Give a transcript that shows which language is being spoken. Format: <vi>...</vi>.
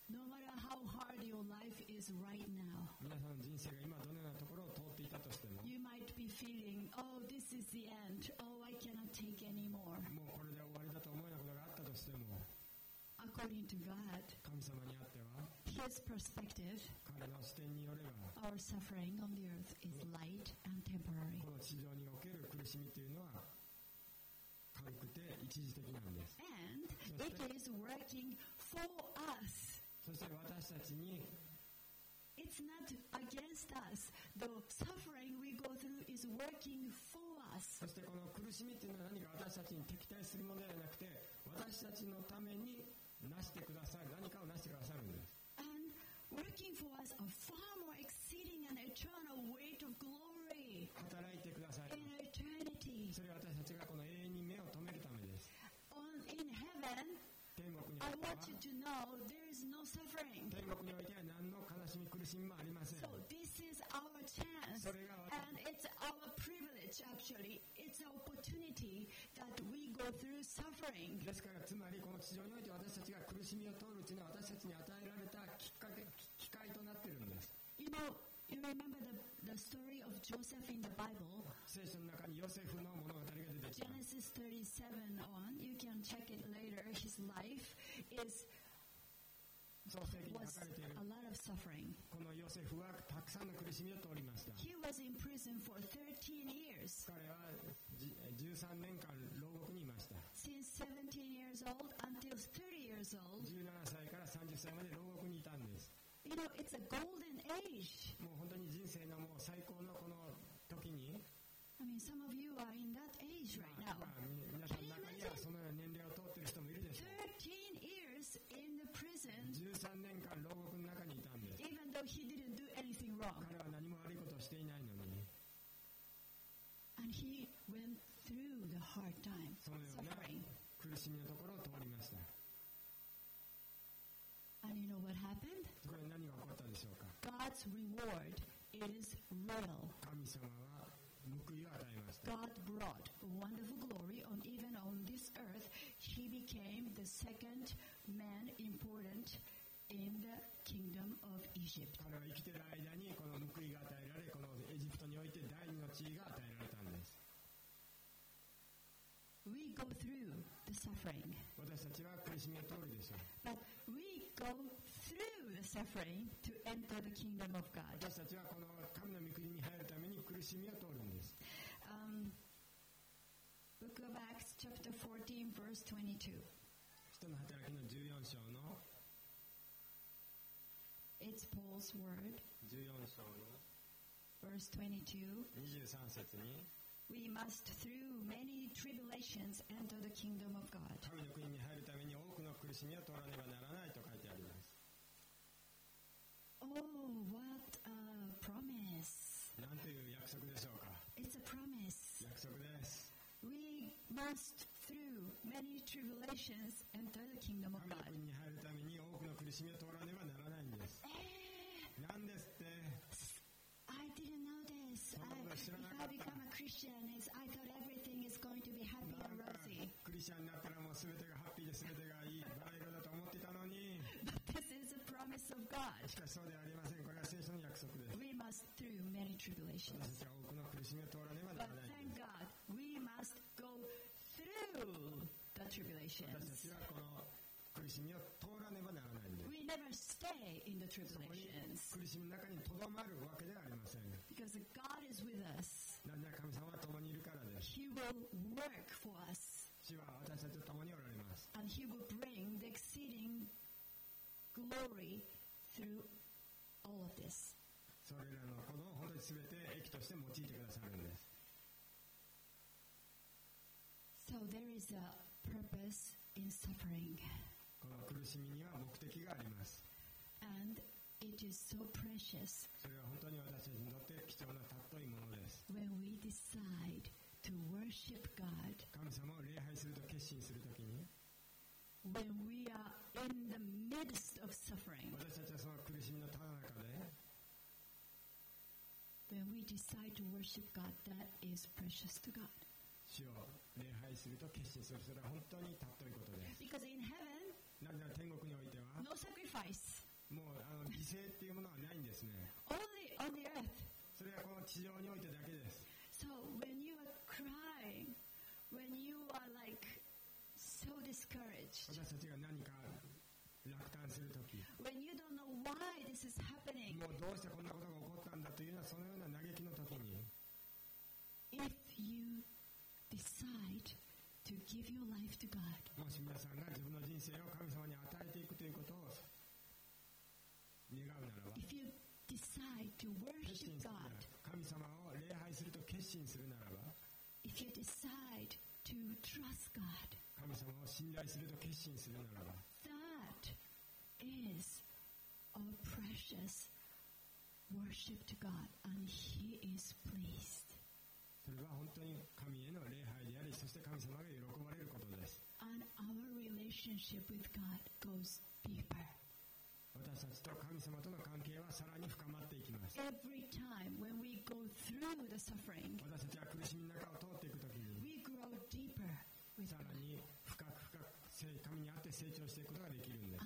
<en>No matter how hard your life is right now,</en> <ja>皆さんの人生が今どのようなところを通っていたとしても、</ja> <en>you might be feeling, oh, this is the end. Oh, I cannot take anymore.</en> <ja>もうこれで終わりだと思うようなことがあったとしても、</ja> <en>according to God,</en> <ja>神様にあっては、</ja> <en>His perspective,</en> <ja>彼の視点によれば、</ja> <en>our suffering on the earth is light and temporary.</en> <ja>この地上における苦しみというのは、軽くて一時的なんです。</ja> <en>And it is working for us.</en> <ja>そして私たちに、</ja> <en>it's not against us. The suffering we go through is working for us.</en> <ja>そしてこの苦しみっていうのは何か私たちに敵対するものではなくて、私たちのためになしてくださる、何かをなしてくださるんです。</ja> <en>And working for us a far more exceeding and eternal weight of glory.</en> <ja>働いてください。</ja> <en>In eternity.</en> <ja>それは私たちがこの永遠に目を留めるためです。</ja> <en>In heaven,</en> <ja>天国においては、</ja> <en>I want you to know there is no suffering.</en> <ja>天国においては何の悲しみ苦しみもありません。</ja> <en>So this is our chance.</en> <ja>それが私、</ja> <en>and it's our privilege actually. It's an opportunity that we go through suffering.</en> <ja>ですからつまりこの地上において私たちが苦しみを通るというのは私たちに与えられたきっかけ、機会となっているんです。</ja> <en>You know, you remember the story of Joseph in the Bible?</en> <ja>聖書の中にヨセフの物語が出てきました。</ja> <en>Genesis 37 on, you can check it later. His life is was a lot of suffering.</en> <ja>このヨセフはたくさんの苦しみを通りました。</ja> <en>He was in prison for 13 years.</en> <ja>彼は13年間牢獄にいました。</ja> <en>Since 17 years old until 30 years old.</en> <ja>17歳から30歳まで牢獄にいたんです。</ja> <en>You know, it's a golden age.</en> <ja>もう本当に人生のもう最高のこの時に。</ja> <en>I mean, some of you are in that age right now.</en> <ja>まあ、皆さんの中にはそのような年齢を通ってる人もいるでしょう。</ja> <en>13 years in the prison.</en> <ja>13年間牢獄の中にいたんです。</ja> <en>Even though he didn't do anything wrong.</en> <ja>彼は何も悪いことをしていないのに。</ja> <en>And he went through the hard time.</en> <ja>そのような苦しみのところを通りました。</ja> <en>And you know what happened?</en> <ja>これ何が起こったでしょうか?</ja> <en>God's reward is real.</en> <ja>神様は報いを与えました。</ja> <en>God brought wonderful glory on even on this earth. He became the second man important in the kingdom of Egypt.</en> <ja>彼は生きている間にこの報いが与えられ、このエジプトにおいて第二の地位が与えられたんです。</ja> <en>We go through the suffering.</en> <ja>私たちは苦しみを通るでしょう。</ja> <en>But we go through the suffering to enter the kingdom of God.</en> <ja>私たちはこの神の御国に入るために苦しみを通るんです。</ja> <en>Book of Acts chapter 14 verse 22.</en> <ja>人の働きの14章の</ja> <en>It's Paul's word.</en> <ja>14章の</ja> <en>verse 22.</en> <ja>23節に</ja> <en>We must through many tribulations enter the kingdom of God.</en> <ja>神の国に入るために多くの苦しみを通らねばならないと書いてあります。</ja> <en>Oh, what a promise!</en> <ja>なんていう約束でしょうか。</ja> <en>It's a promise.</en> <ja>約束です。</ja> <en>We must through many tribulations enter the kingdom of God.</en> <ja>神の国に入るために多くの苦しみを通らねばならないんです。なんですって。</ja> <en>I didn't know this. If I become a Christian, I thought everything is going to be happy and rosy.</en> <ja>クリスチャンになったらもう全てがハッピーで全てがいい、バラ色だと思ってたのに。</ja> <en>But this is a promise of God.</en> <ja>しかしそうではありません。これは聖書の約束です。</ja> <en>We must through many tribulations.</en> <ja>私たちは多くの苦しみを通らねばならない。</ja> <en>But thank God, we must go through the tribulations.</en> <ja>私たちはこの苦しみを通らねばならないんです。</ja> <en>We never stay in the tribulations.</en> <ja>苦しみの中にとどまるわけではありません。</ja> <en>Because God is with us.</en> <ja>なぜなら神様は共にいるからです。</ja> <en>He will work for us.</en> <ja>主は私たちと共におられます。</ja> <en>And He will bring the exceeding glory through all of this.</en> <ja>それらのことを本当にすべて益として用いてくださるんです。</ja> <en>So there is a purpose in suffering.</en> <ja>この苦しみには目的があります。</ja> <en>And it is so precious.</en> <ja>それは本当に私たちにとって貴重な尊いものです。</ja> <en>When we decide to worship God,</en> <ja>神様を礼拝すると決心するときに、</ja> <en>When we are in the midst of suffering,</en> <ja>私たちはその苦しみのただ中で、</ja> <en>When we decide to worship God, that is precious to God.</en> <ja>主を礼拝すると決心する。それは本当に尊いことです。</ja> <en>Because in heaven,</en> <ja>なぜなら天国においては、</ja> <en>no sacrifice.</en> <ja>もう犠牲っていうものはないんですね。</ja> <en>Only on the earth.</en> <ja>それはこの地上においてだけです。</ja> <en>So when you are crying, when you are like so discouraged,</en> <ja>私たちが何か落胆するとき、</ja> <en>when you don't know why this is happening,</en> <ja>もうどうしてこんなことが起こったんだというのはそのような嘆きのときに、</ja> <en>if youDecide to give your life to God.</en> <ja>もし皆さんが自分の人生を神様に与えていくということを願うならば、</ja> <en>If you decide to worship God,</en> <ja>神様を礼拝すると決心するならば、</ja> <en>If you decide to trust God,</en> <ja>神様を信頼すると決心するならば、</ja> <en>That is a precious worship to God, and He is pleased.</en> <ja>それは本当に神への礼拝であり、そして神様が喜ばれることです。</ja> <en>And our relationship with God goes deeper.</en> <ja>私たちと神様との関係はさらに深まっていきます。</ja> <en>Every time when we go through the suffering,</en> <ja>私たちは苦しみの中を通っていくときに、</ja> <en>we grow deeper with</en> <ja>God. さらに深く深く神にあって成長していくことができるんです。</ja>